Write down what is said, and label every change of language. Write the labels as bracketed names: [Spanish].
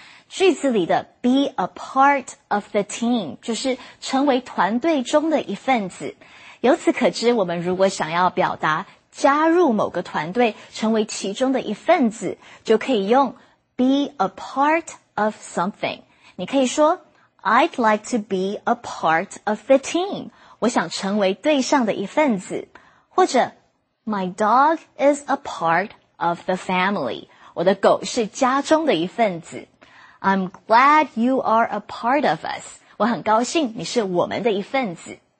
[Chinese] 句子里的 [English] be a part of the team [Chinese] 就是成为团队中的一份子。由此可知，我们如果想要表达加入某个团队，成为其中的一份子，就可以用 [English] be a part of something. [Chinese] 你可以说 [English] I'd like to be a part of the team. [Chinese] 我想成为队上的一份子。或者 [English] My dog is a part of the family. [Chinese] 我的狗是家中的一份子。 [English] I'm glad you are a part of us. [Chinese] 我很高兴你是我们的一份子。